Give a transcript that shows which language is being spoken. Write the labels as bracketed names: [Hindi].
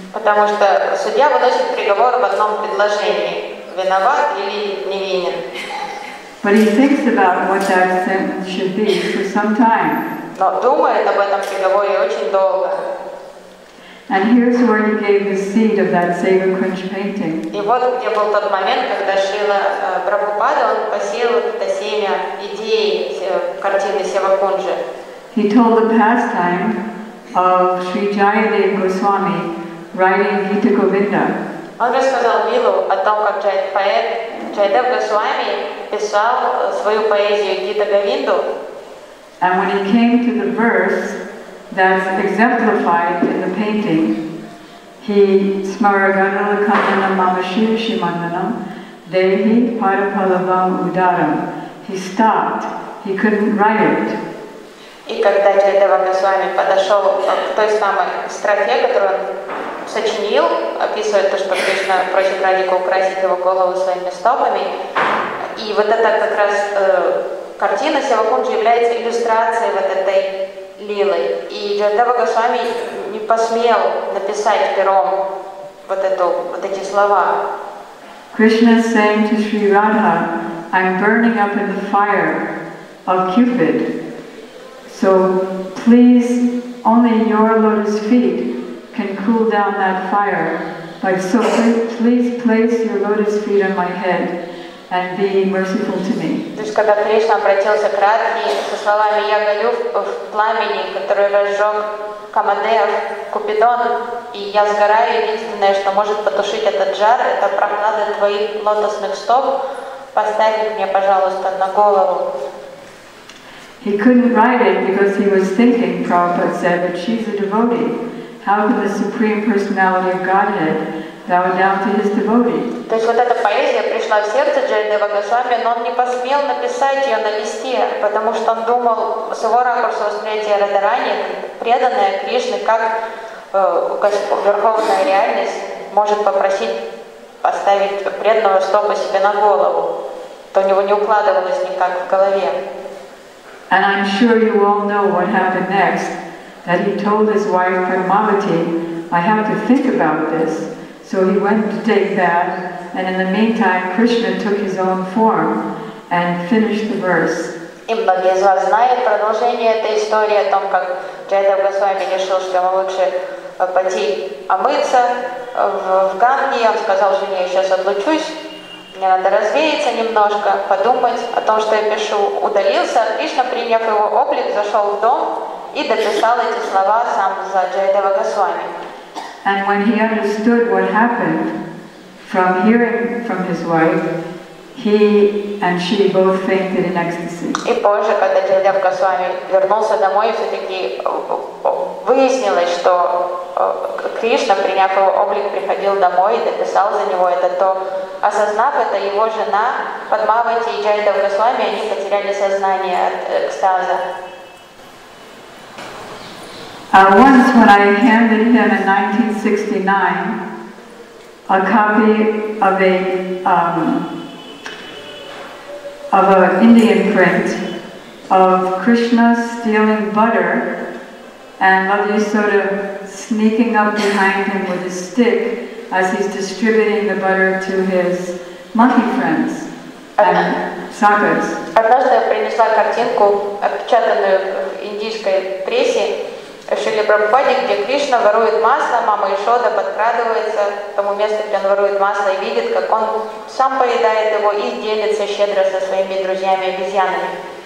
[Russian] Потому что судья выносит приговор в одном предложении: виноват или невинен. [English] But he thinks about what that sentence should be for some time. [Russian] Но думает об этом приговоре очень долго. [English] And here's where he gave the seed of that Sagar Kunch painting. [Russian] И вот где был тот момент, когда Шрила Прабхупада он посеял это семя идеи картины Севакунджи. [English] He told the pastime of Sri Jayadeva Goswami writing Gita Govinda. [Russian] Он рассказал Милу о том, как поэт Джайдев Госвами писал свою поэзию Гита Говинду. [English] And when he came to the verse that's exemplified in the painting, he [Sanskrit] smaragadalakana mamashirishimandanam dehi parapalavam udaram. [English] He stopped. He couldn't write it. [Russian] И когда Джайдев Госвами подошел к той самой строфе, которую он сочинил, описывая то, что Кришна просит Радику украсить его голову своими стопами. И вот это как раз картина Севакунджи является иллюстрацией вот этой лилы. И Джайдева Госвами не посмел написать пером вот эти слова. [English] Кришна saying to Sri Radha, I'm burning up in the fire of Cupid. So please, only your lotus feet can cool down that fire, but so please place your lotus feet on my head and be merciful to me. [Russian] То есть когда Кришна обратился к Радхе со словами «Я горю в пламени, который разжег Камадев, Купидон, и я сгораю, единственное, что может потушить этот жар, это прохлада твоих лотосных стоп, поставь их мне, пожалуйста, на голову». [English] He couldn't write it because he was thinking, Prabhupada said, but she's a devotee. How can the Supreme Personality of Godhead bow down to his devotee? [Russian] То есть вот эта поэзия пришла в сердце Джайдева Госвами, но он не посмел написать ее на листе, потому что он думал, с его ракурса восприятия Радхарани, преданная Кришне, как Верховная Реальность может попросить поставить преданного стопа себе на голову. То у него не укладывалось никак в голове. [English] And I'm sure you all know what happened next. That he told his wife Padmavati, I have to think about this. So he went to take that, and in the meantime, Krishna took his own form and finished the verse. [Russian] И многие из вас знают продолжение этой истории о том, как Джайдев Госвами решил, что ему лучше пойти омыться в Ганге. Он сказал жене, я сейчас отлучусь. Мне надо развеяться немножко, подумать о том, что я пишу. Удалился, Кришна, приняв его облик, зашел в дом и дописал эти слова сам за Джайдева Госвами. [English] And when he understood what happened from hearing from his wife, he and she both fainted in ecstasy. [Russian] И позже, когда Джайдев Госвами вернулся домой, все-таки выяснилось, что Кришна, приняв его облик, приходил домой и дописал за него это, то осознав это, его жена Падмавати и Джайдев Госвами, они потеряли сознание от экстаза. [English] Once when I handed him in 1969 a copy of an Indian print of Krishna stealing butter and Lavi sort of sneaking up behind him with a stick as he's distributing the butter to his monkey friends and sakas. [Russian] Однажды я принесла картинку, отпечатанную в индийской прессе, в Шриле Прабхупаде, где Кришна ворует масло, мама Ишода подкрадывается к тому месту, где он ворует масло, и видит, как он сам поедает его и делится щедро со своими друзьями-обезьянами.